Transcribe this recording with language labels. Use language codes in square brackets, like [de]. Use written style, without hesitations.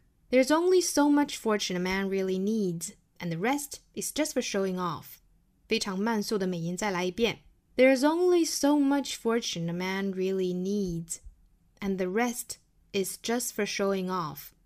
[en] There's only so much fortune a man really needs, and the rest is just for showing off. [zh] 非常慢速的美音再来一遍。 [en] There's only so much fortune a man really needs, and the rest is just for showing off.